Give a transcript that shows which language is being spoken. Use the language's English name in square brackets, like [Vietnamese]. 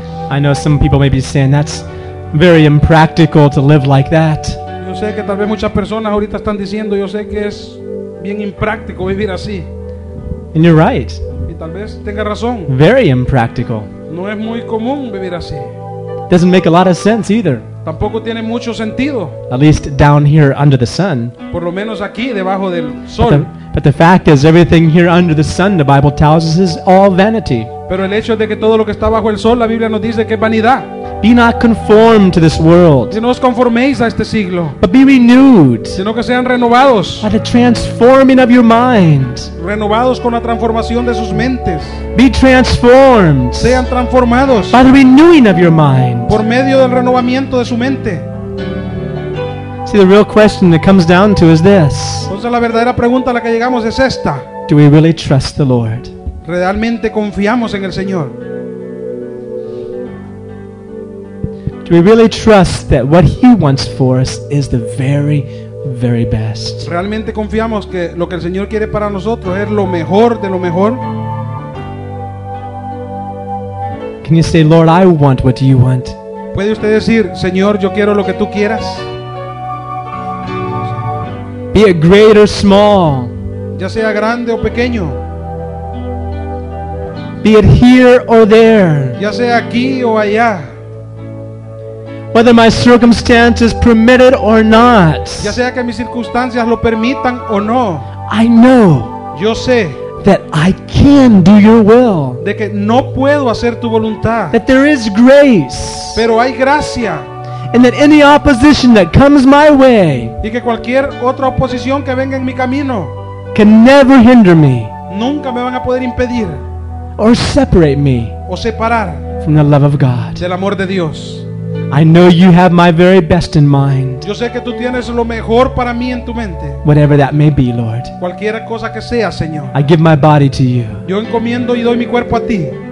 [English] I know some people may be saying that's very impractical to live like that. [Spanish] Yo sé que tal vez muchas personas ahorita están diciendo, yo sé que es bien impráctico vivir así. [English] And you're right. [Spanish] Y tal vez tenga razón. [English] Very impractical. [Spanish] No es muy común vivir así. [English] Doesn't make a lot of sense either. [Spanish] Tampoco tiene mucho sentido. [English] At least down here under the sun. [Spanish] Por lo menos aquí debajo del sol. [English] But the fact is, everything here under the sun, the Bible tells us, is all vanity. [Spanish] Pero el hecho de que todo lo que está bajo el sol, la Biblia nos dice que es vanidad. [English] Be not conformed to this world. [Spanish] Si no os conforméis a este siglo. [English] But be renewed. [Spanish] Sino que sean renovados. [English] By the transforming of your mind. [Spanish] Renovados con la transformación de sus mentes. [English] Be transformed. [Spanish] Sean transformados. [English] By the renewing of your mind. [Spanish] Por medio del renovamiento de su mente. [English] See, the real question that comes down to is this. [Spanish] Entonces la verdadera pregunta a la que llegamos es esta. [English] Do we really trust the Lord? [Spanish] ¿Realmente confiamos en el Señor? [English] Do we really trust that what He wants for us is the very, very best? [Spanish] ¿Realmente confiamos que lo que el Señor quiere para nosotros es lo mejor de lo mejor? [English] Can you say, Lord, I want what you want? [Spanish] ¿Puede usted decir, Señor, yo quiero lo que tú quieras? [English] Be it great or small. [Spanish] Ya sea grande o pequeño. [English] Be it here or there. [Spanish] Ya sea aquí o allá. [English] Whether my circumstances permit it or not. [Spanish] Ya sea que mis circunstancias lo permitan o no. [English] I know. [Spanish] Yo sé. [English] That I can do your will. [Spanish] De que no puedo hacer tu voluntad. [English] That there is grace. [Spanish] Pero hay gracia. [English] And that any opposition that comes my way. [Spanish] Y que cualquier otra oposición que venga en mi camino. [English] Can never hinder me. [Spanish] Nunca me van a poder impedir. [English] Or separate me. [Spanish] O separar. [English] From the love of God. [Spanish] Del amor de Dios. [English] I know you have my very best in mind. [Spanish] Yo sé que tú tienes lo mejor para mí en tu mente. [English] Whatever that may be, Lord. [Spanish] Cualquiera cosa que sea, Señor. [English] I give my body to you. [Spanish] Yo encomiendo y doy mi cuerpo a ti.